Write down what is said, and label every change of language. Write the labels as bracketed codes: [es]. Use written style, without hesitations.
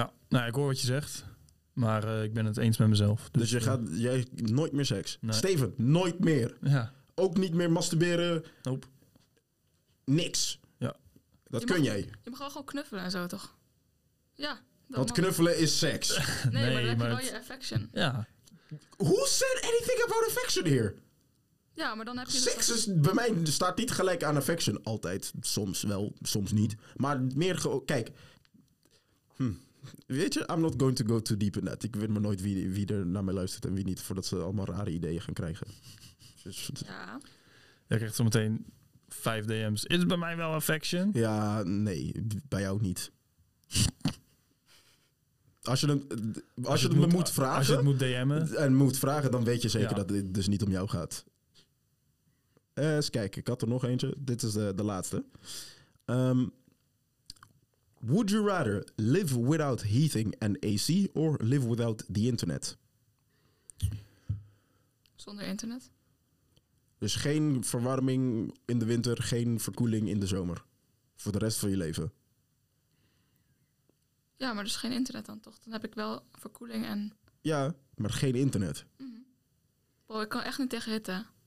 [nl] Ja, nou, ik hoor wat je zegt. Maar ik ben het eens met mezelf. Dus je gaat jij nooit meer seks? Nee. Steven, nooit meer. Ja. Ook niet meer masturberen? Nope. Niks. Ja. Dat kun jij. Je mag wel gewoon knuffelen en zo, toch? Ja. Want knuffelen is seks. nee, maar dan heb je wel je affection. Ja. [en] Who said anything about affection here? [nl] Ja, maar dan heb je... Seks dus bij mij staat niet gelijk aan affection. Altijd. Soms wel, soms niet. Maar meer gewoon... Kijk. Weet je, [en] I'm not going to go too deep in that. [nl] Ik weet maar nooit wie er naar mij luistert en wie niet, voordat ze allemaal rare ideeën gaan krijgen. Ja. Je krijgt zo meteen 5 DM's. Is het bij mij wel affection? Ja, nee, bij jou niet. Als je het me moet vragen... Als je het moet DM'en. En moet vragen, dan weet je zeker dat het dus niet om jou gaat. Eens kijken, ik had er nog eentje. Dit is de laatste. [en] Would you rather live without heating and AC or live without the internet? [nl] Zonder internet? Dus geen verwarming in de winter, geen verkoeling in de zomer. Voor de rest van je leven. Ja, maar dus geen internet dan toch? Dan heb ik wel verkoeling en... Ja, maar geen internet. Mm-hmm. Wow, ik kan echt niet tegen hitte.